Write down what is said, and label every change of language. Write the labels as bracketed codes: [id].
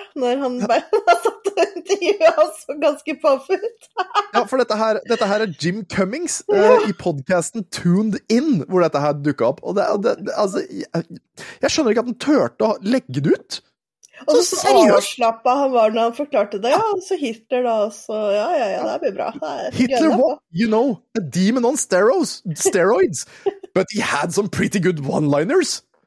[no] Når han bare satt og intervjuet, han så ganske paff ut. Ja, for dette her er Jim Cummings i podcasten Tuned In, hvor dette her dukket opp. Og altså, jeg skjønner ikke at han tørte å legge det ut. Og så overslappet han var når han forklarte det. Ja, så Hitler da, så ja, det blir bra. [en] Hitler what? You know, a demon on steroids. But he had some pretty good one-liners.